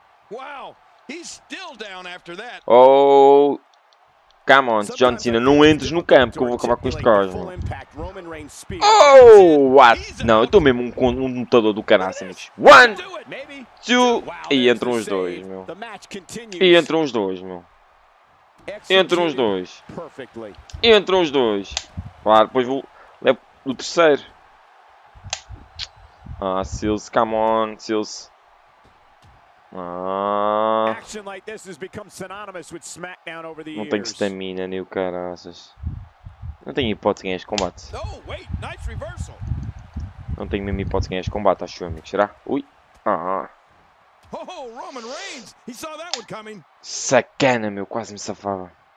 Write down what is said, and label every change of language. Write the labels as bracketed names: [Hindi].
[English] Wow, he's still down after that. Oh, come on, [Portuguese] John Cena, não entres no campo que eu vou acabar com este cosmo. [English] Oh, what? [Portuguese] Não, eu estou mesmo um lutador do caraça, amigos. [English] One, two, [Portuguese] e entram os dois, meu. E entram os dois, meu. Entram os dois. Entram os dois. Claro, depois vou levar o terceiro. [English] Ah, Seals, come on, Seals. Action like this has become synonymous with SmackDown over the years. [Portuguese] Não tem stamina, nem o caraças. Não tenho hipótese de ganhar este combate. [English] Oh, wait, nice reversal. [Portuguese] Não tenho mesmo hipótese de ganhar este combate, acho eu, amigo. Será? Ui. Ah. [English] Oh, Roman Reigns! He saw that one coming. [Portuguese] Sacana, meu, quase me safava.